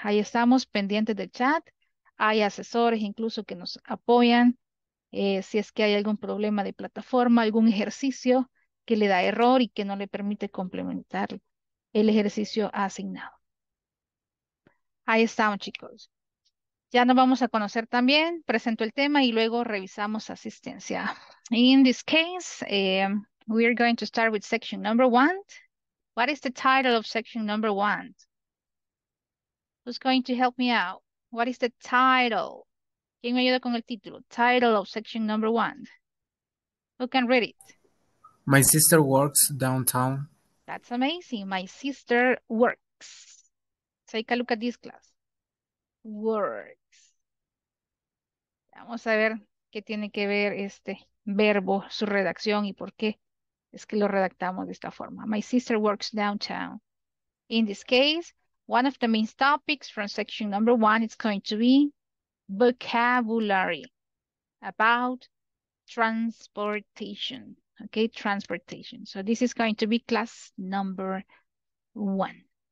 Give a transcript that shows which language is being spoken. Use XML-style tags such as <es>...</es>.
<es>Ahí estamos pendientes del chat. Hay asesores incluso que nos apoyan si es que hay algún problema de plataforma, algún ejercicio que le da error y que no le permite complementar el ejercicio asignado. Ahí estamos, chicos. Ya nos vamos a conocer también, presento el tema y luego revisamos asistencia.</es> <en>In this case, we are going to start with section number one. What is the title of section number one? Who's going to help me out? What is the title?</en> <es>¿Quién me ayuda con el título?</es> <en>Title of section number one. Who can read it? My sister works downtown. That's amazing. My sister works. Take a look at this class. Works.</en> <es>Vamos a ver qué tiene que ver este verbo, su redacción y por qué es que lo redactamos de esta forma.</es> <en>My sister works downtown. In this case, one of the main topics from section number one is going to be vocabulary about transportation. Okay, transportation. So this is going to be class number one.</en>